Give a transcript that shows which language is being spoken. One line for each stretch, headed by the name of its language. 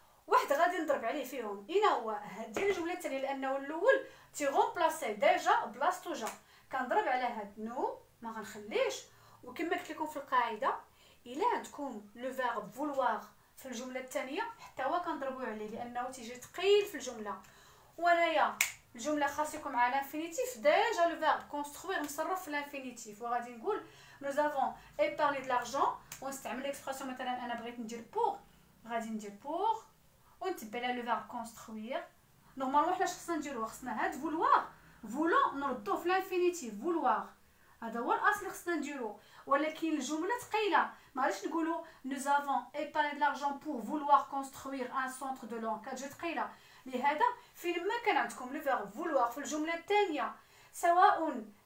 Arabic: واحد غادي نضرب عليه فيهم اين هو ديال الجمله الثانيه لانه الاول تي غومبلاسي ديجا بلاصتو جا كنضرب على هاد نو ما غنخليش وكما قلت لكم في القاعده الا عندكم لو فيرب فولوار في الجمله الثانيه حتى هو كنضربو عليه لانه تيجي ثقيل في الجمله وانايا الجمله خاص يكون مع الانفينيتيف ديجا لو فيرب كونستروير مصرف في الانفينيتيف وغادي نقول
French: nous avons épargné de l'argent. On utilise l'expression
Arabic: مثلا انا بغيت ندير pour غادي ندير pour ونتبع لا لو فار construire. Normalement حنا خصنا نديرو خصنا هاد vouloir voulant نردو في الانفينيتيف vouloir هذا هو الاصل خصنا نديرو ولكن الجمله ثقيله ما غاديش نقولو
French: nous avons épargné de l'argent pour vouloir construire un centre de l'enquête je
Arabic: ثقيله لهذا فين ما كان عندكم لو فار vouloir في الجمله الثانيه سواء